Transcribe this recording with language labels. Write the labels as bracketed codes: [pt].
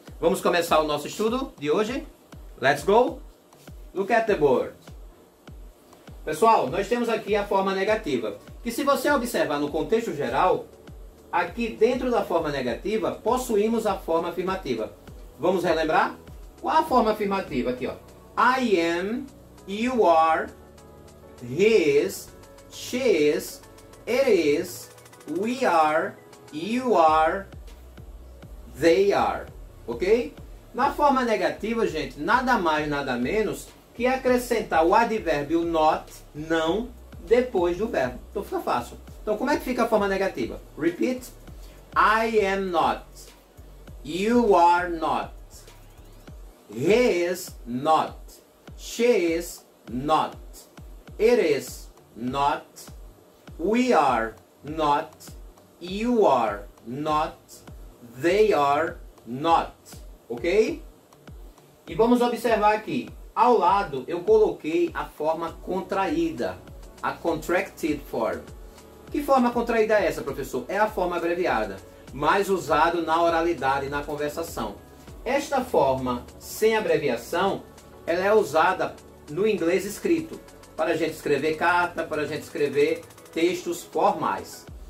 [pt] Vamos começar o nosso estudo de hoje? [en] Let's go! Look at the board! [pt] Pessoal, nós temos aqui a forma negativa, que se você observar no contexto geral, aqui dentro da forma negativa, possuímos a forma afirmativa. Vamos relembrar? Qual a forma afirmativa aqui, ó? [en] I am, you are, he is, she is, it is, we are, you are, they are, ok? [pt] Na forma negativa, gente, nada mais, nada menos que acrescentar o advérbio not, não, depois do verbo. Então fica fácil. Então como é que fica a forma negativa? [en] Repeat. I am not. You are not. He is not. She is not. It is not. We are not. You are not, they are not, ok? [pt] E vamos observar aqui, ao lado eu coloquei a forma contraída, [en] a contracted form. [pt] Que forma contraída é essa, professor? É a forma abreviada, mais usada na oralidade e na conversação. Esta forma sem abreviação, ela é usada no inglês escrito, para a gente escrever carta, para a gente escrever textos formais.